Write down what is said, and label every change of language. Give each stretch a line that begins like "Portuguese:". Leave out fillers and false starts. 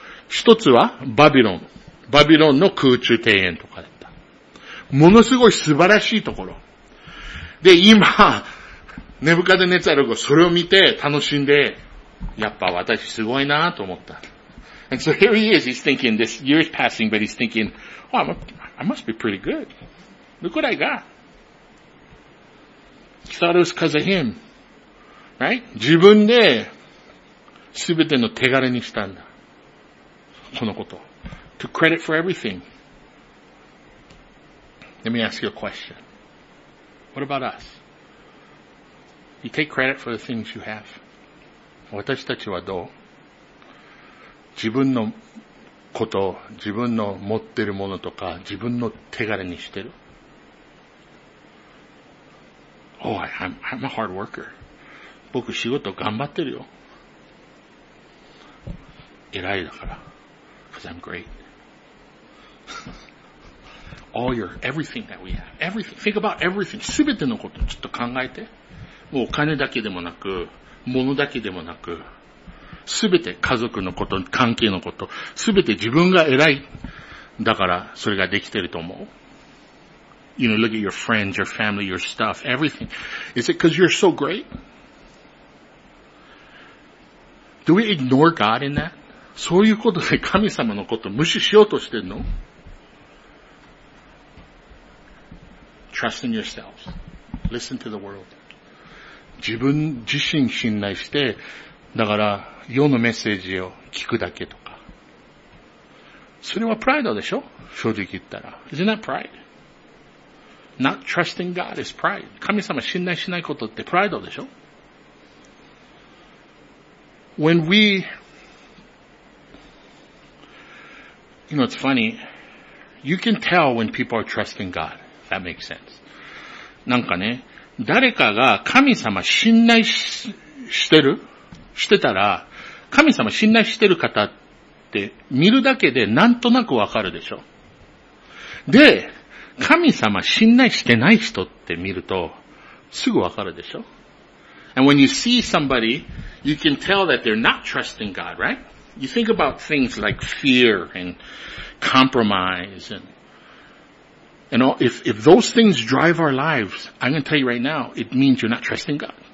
Japanese: 一つは、バビロンの空中庭園とかだった。ものすごい素晴らしいところ。で、今、ネブカデネツァルがそれを見て楽しんで、やっぱ私すごいなと思った。
English: And so here he is, he's thinking, this year is passing, but he's thinking, oh, I must be pretty good. Look what I got. He thought it was because of him. Right?
Japanese: 自分で、すべての手柄にしたんだ。このこと。
English: To credit for everything. Let me ask you a question. What about us? You take credit for the things you have.
Japanese: 私たちはどう？自分のこと、自分の持ってるものとか、自分の手柄にしてる？
English: Oh, I'm a hard worker.
Japanese: 僕仕事頑張ってるよ。偉いだから。
English: Because I'm great. All your, everything that we have. Everything. Think about everything.
Japanese: すべてのことちょっと考えて。もうお金だけでもなく、物だけでもなく、すべて家族のこと、関係のこと、すべて自分が偉い。だから、それができてると思う。
English: You know, look at your friends, your family, your stuff, everything. Is it because you're so great? Do we ignore God in that?
Japanese: そういうことで神様のこと無視しようとしてんの？
English: Trust in yourselves. Listen to the world.
Japanese: 自分自身信頼して、だから世のメッセージを聞くだけとか。それはプライドでしょ？正直言ったら。
English: Isn't that pride? Not trusting God is pride.
Japanese: 神様信頼しないことってプライドでしょ？
English: When weYou know, it's funny. You can tell when people are trusting God. That makes sense.
Japanese: なんかね、誰かが神様信頼 してたら、神様信頼してる方って見るだけでなんとなくわかるでしょ。で、神様信頼してない人って見るとすぐわかるでしょ。
English: And when you see somebody, you can tell that they're not trusting God, right? You think about things like fear and compromise and all, if those things drive our lives, I'm going to tell you right now, it means you're not trusting God.